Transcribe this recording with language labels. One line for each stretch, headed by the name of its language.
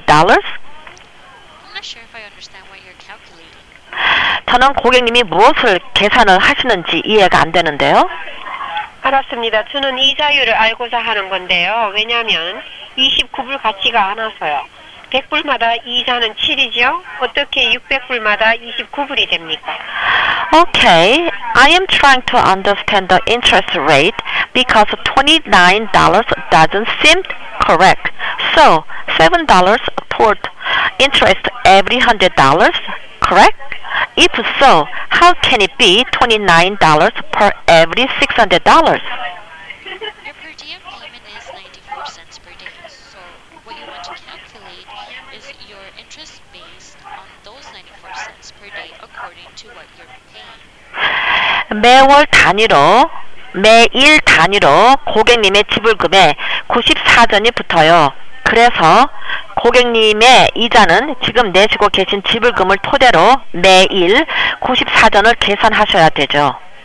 English: I'm not sure if I understand what you're calculating.
Korean: 저는 고객님이 무엇을 계산을 하시는지 이해가 안 되는데요. 알았습니다. 저는 이자율을 알고자 하는 건데요. 왜냐하면 29불 가치가 않아서요. 100불마다 이자는 7이죠? 어떻게 600불마다 29불이 됩니까?
English: Okay, I am trying to understand the interest rate because $29 doesn't seem correct. So, $7 toward interest every $100, correct? If so, how can it be $29 per every $600? Your per diem payment is 94 cents per day. So what you want to calculate is your interest based on those 94 cents per day according to what you're paying.
Korean: 매월 단위로, 매일 단위로 고객님의 지불금에 94전이 붙어요. 그래서 고객님의 이자는 지금 내시고 계신 지불금을 토대로 매일 94전을 계산하셔야 되죠.